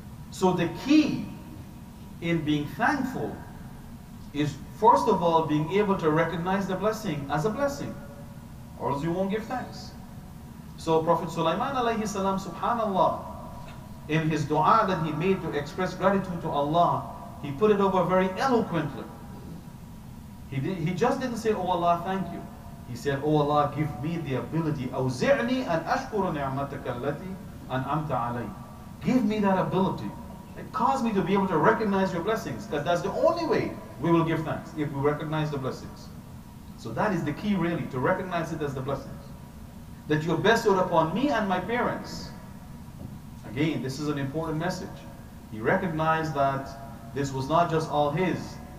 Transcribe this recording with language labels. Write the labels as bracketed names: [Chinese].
[English] So the key in being thankful is, first of all, being able to recognize the blessing as a blessing, or else you won't give thanks. So Prophet Sulaiman alayhi salam, subhanallah, in his dua that he made to express gratitude to Allah, he put it over very eloquently. He just didn't say, oh Allah, thank you. He said, oh Allah, give me the ability. [Arabic] أوزعني أن أشكر نعمتك التي أنعمت علي. [English] Give me that ability. And cause me to be able to recognize your blessings. Because that's the only way we will give thanks, if we recognize the blessings. So that is the key, really, to recognize it as the blessings. That you have bestowed upon me and my parents. Again, this is an important message. He recognized that this was not just all his.